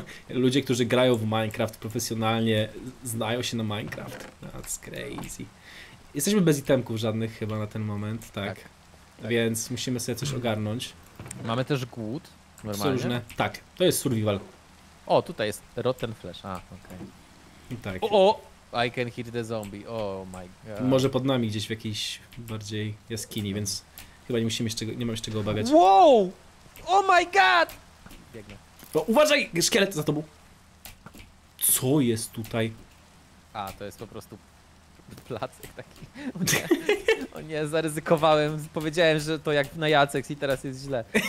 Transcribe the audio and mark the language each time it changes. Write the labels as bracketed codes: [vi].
[pl] Ludzie, którzy grają w Minecraft profesjonalnie, znają się na Minecraft. [en] That's crazy. [pl] Jesteśmy bez itemków żadnych chyba na ten moment, tak. Więc musimy sobie coś ogarnąć. Mamy też głód, normalnie? Są różne. Tak, to jest survival. O, tutaj jest rotten flesh, okej. Tak. [en] I can hear the zombie, oh my god. [pl] Może pod nami gdzieś w jakiejś bardziej jaskini, więc chyba nie musimy jeszcze, nie mam jeszcze czego obawiać. [en] Wow! Oh my god! [pl] Biegnę. No, uważaj, szkielet za tobą. Co jest tutaj? A, to jest po prostu placek taki. O nie, zaryzykowałem, powiedziałem, że to jak na Jacek i teraz jest źle.